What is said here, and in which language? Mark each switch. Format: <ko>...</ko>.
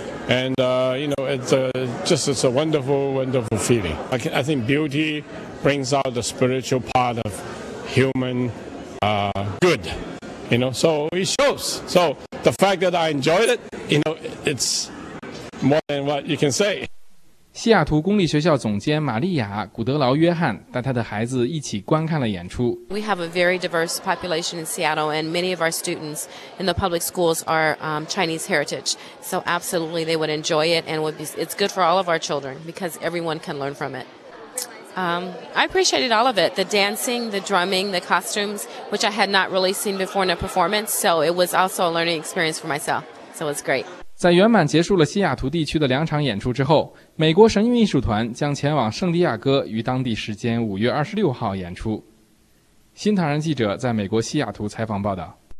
<en>And you know, it's a wonderful, wonderful feeling. I think beauty brings out the spiritual part of human good. You know, so it shows. So the fact that I enjoyed it, you know, it's more than what you can say.</en> <zh>西雅图公立学校总监玛丽亚·古德劳·约翰带她的孩子一起观看了演出。</zh> <en>We have a very diverse population in Seattle, and many of our students in the public schools are Chinese heritage. So absolutely, they would enjoy it, and it's good for all of our children because everyone can learn from it. I appreciated all of it: the dancing, the drumming, the costumes, which I had not really seen before in a performance. So it was also a learning experience for myself. So it's great.</en> <zh>在圆满结束了西雅图地区的两场演出之后，美国神韵艺术团将前往圣地亚哥，于当地时间5月26号演出。新唐人记者在美国西雅图采访报道。</zh>